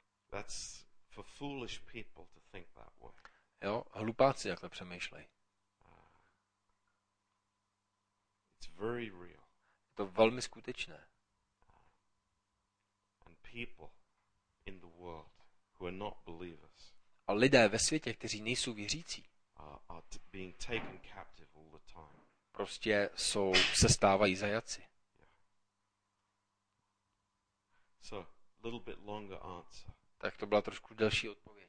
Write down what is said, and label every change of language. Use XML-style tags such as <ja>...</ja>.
<en>That's for foolish people to think that way.</en> <cs>Jo, hlupáci takhle přemýšlej.</cs> <en>Very real.</en> <cs>Je to velmi skutečné.</cs> <en>And people in the world who are not believers.</en> <cs>A lidé ve světě, kteří nejsou věřící.</cs> <en>Are being taken captive all the time.</en> <cs>Prostě jsou se stávají zajatci.</cs> <en>Yeah. So, little bit longer answer.</en> <cs>Tak to byla trošku delší odpověď.</cs>